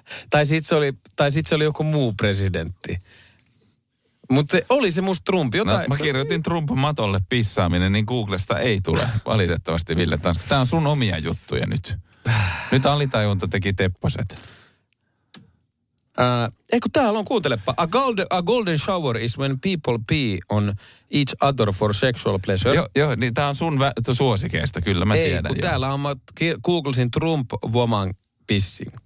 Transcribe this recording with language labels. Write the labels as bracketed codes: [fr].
[fi] tai sit se oli joku muu presidentti. Mutta se oli se musta Trump. Jotain... No, mä kirjoitin Trump matolle pissaaminen, niin Googlesta ei tule valitettavasti, Ville Tanska. Tämä on sun omia juttuja nyt. Nyt alitajunta teki tepposet. Eikö täällä on, kuuntelepa. [en] A golden shower is when people pee on each other for sexual pleasure. [fi] Joo, niin tämä on sun suosikeista, kyllä mä ei, tiedän. Ei, täällä on, mä googlesin Trump woman pissi.